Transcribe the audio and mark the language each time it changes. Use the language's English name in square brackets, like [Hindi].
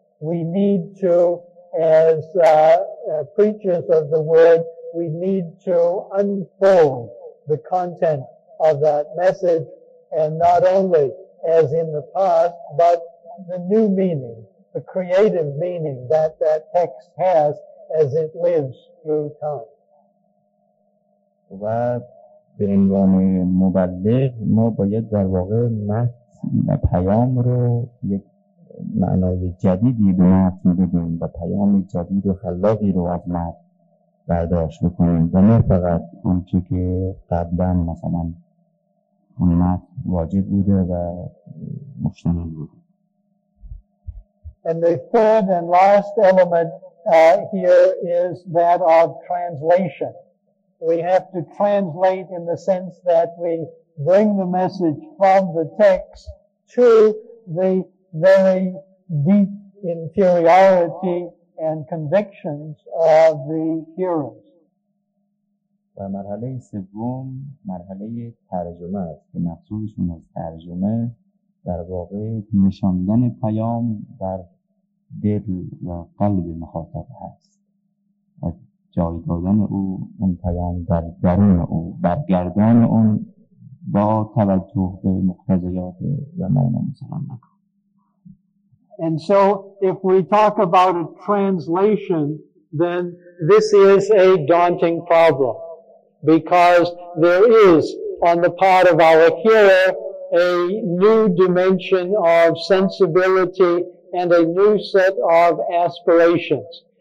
[English] We need to, as preachers of the word, we need to unfold the content of that message, and not only as in the past, but the new meaning, the creative meaning that that text has as it lives through time. [Persian] و به عنوان مبلغ ما باید در واقع متن و پیام رو یک معنای جدیدی به متن بدیم و پیام جدید و خلاقی رو از متن برداشت بکنیم و نه فقط آنچه که قبلا مثلا اونمت واجب بوده و مشتمل بوده. [English] And the third and last element here is that of translation. We have to translate in the sense that we bring the message from the text to the very deep interiority and convictions of the hearers. [Persian] و مرحله سوم مرحله ترجمه است که مقصودشون از ترجمه در واقع نشاندن پیام در دل و قلب مخاطب هست و جای دادن او اون پیام در درون او، برگردان اون با توجه به مقتضیات زمان و مثلا مکان. [English] And so if we talk about a translation, then this is a daunting problem, because there is, on the part of our hearer, a new dimension of sensibility and a new set of aspirations.